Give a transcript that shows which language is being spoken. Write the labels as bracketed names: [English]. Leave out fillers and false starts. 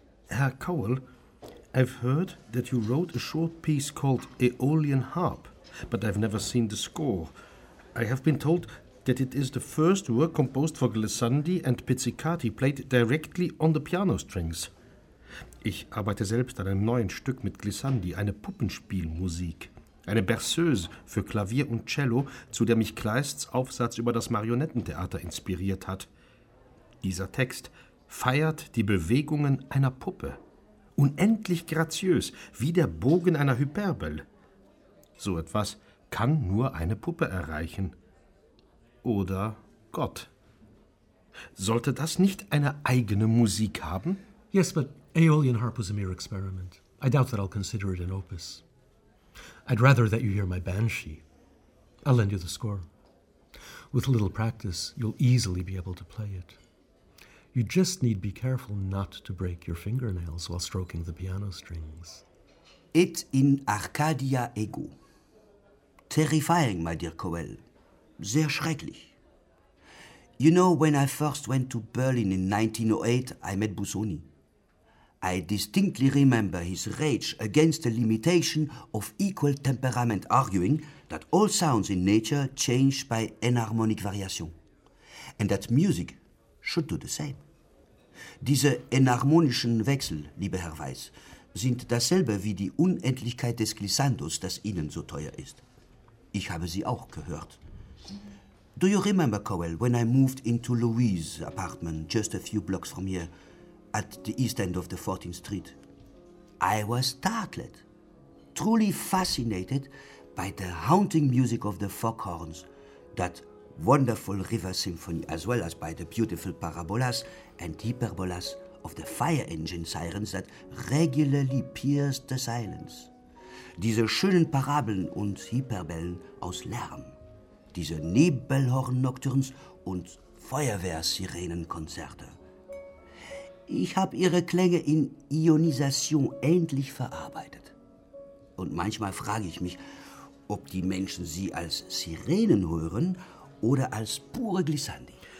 [English] Herr Cowell, I've heard that you wrote a short piece called Aeolian Harp, but I've never seen the score. I have been told that it is the first work composed for Glissandi and Pizzicati played directly on the piano strings. [German] Ich arbeite selbst an einem neuen Stück mit Glissandi, eine Puppenspielmusik, eine Berceuse für Klavier und Cello, zu der mich Kleists Aufsatz über das Marionettentheater inspiriert hat. Dieser Text feiert die Bewegungen einer Puppe. Unendlich graziös, wie der Bogen einer Hyperbel. So etwas kann nur eine Puppe erreichen. Oder Gott. Sollte das nicht eine eigene Musik haben? [English] Yes, but Aeolian Harp was a mere experiment. I doubt that I'll consider it an opus. I'd rather that you hear my banshee. I'll lend you the score. With a little practice, you'll easily be able to play it. You just need be careful not to break your fingernails while stroking the piano strings. [Latin] Et in Arcadia ego. [English] Terrifying, my dear Cowell. [German] Sehr schrecklich. [English] You know, when I first went to Berlin in 1908, I met Busoni. I distinctly remember his rage against the limitation of equal temperament, arguing that all sounds in nature change by enharmonic variation, and that music should do the same. [German] Diese enharmonischen Wechsel, lieber Herr Weiß, sind dasselbe wie die Unendlichkeit des Glissandos, das Ihnen so teuer ist. Ich habe sie auch gehört. [English] Do you remember, Cowell, when I moved into Louise's apartment just a few blocks from here, at the east end of the 14th Street? I was startled, truly fascinated by the haunting music of the Foghorns, that wonderful river symphony, as well as by the beautiful parabolas and hyperbolas of the fire engine sirens that regularly pierced the silence. [German] Diese schönen Parabeln und Hyperbellen aus Lärm, diese Nebelhorn-Nocturns und Feuerwehr-Sirenen-Konzerte. Ich habe ihre Klänge in Ionisation endlich verarbeitet. Und manchmal frage ich mich, ob die Menschen sie als Sirenen hören oder als pure Glissandi.